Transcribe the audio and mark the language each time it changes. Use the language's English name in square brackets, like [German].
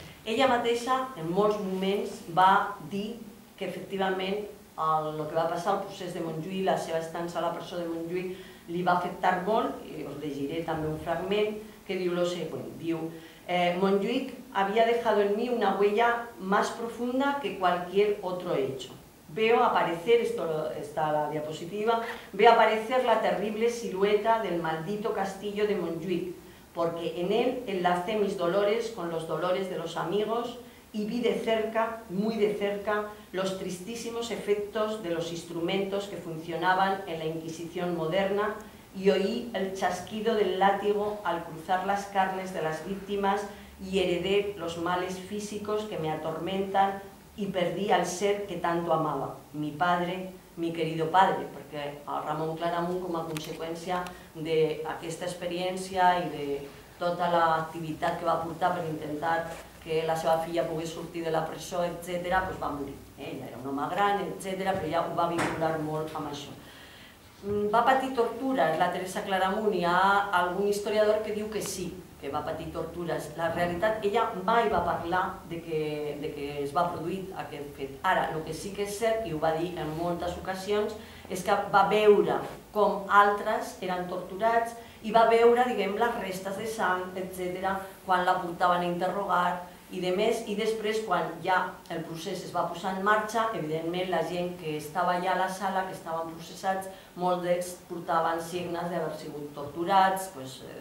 [Catalan] Ella mateixa en molts moments va dir que efectivament el que va passar al procés de Montjuïc, la seva estança a la presó de Montjuïc, li va afectar molt, i us llegiré també un fragment que diu lo següent, diu: [Spanish] Montjuïc havia dejado en mí una huella más profunda que cualquier otro hecho. Veo aparecer, esto está la diapositiva, veo aparecer la terrible silueta del maldito castillo de Montjuïc, porque en él enlacé mis dolores con los dolores de los amigos y vi de cerca, muy de cerca, los tristísimos efectos de los instrumentos que funcionaban en la Inquisición moderna y oí el chasquido del látigo al cruzar las carnes de las víctimas y heredé los males físicos que me atormentan y perdí al ser que tanto amaba, mi padre, mi querido padre, porque a Ramon Claramunt, como consecuencia de esta experiencia y de toda la actividad que va a portar para intentar [Catalan] que la seva filla pogués sortir de la presó, etc., pues va morir. Ella era un home gran, etc., però ja ho va vincular molt amb això. Va patir tortures la Teresa Claramunt? Hi ha algun historiador que diu que sí, que va patir tortures. La realitat, ella mai va parlar de que es va produir aquest fet. Ara, el que sí que és cert, i ho va dir en moltes ocasions, és que va veure com altres eren torturats i va veure, diguem, les restes de sang, etc., quan la portaven a interrogar i demés, i després, quan ja el procés es va posar en marxa, evidentment la gent que estava allà a la sala, que estaven processats, molts d'ells portaven signes d'haver sigut torturats, pues,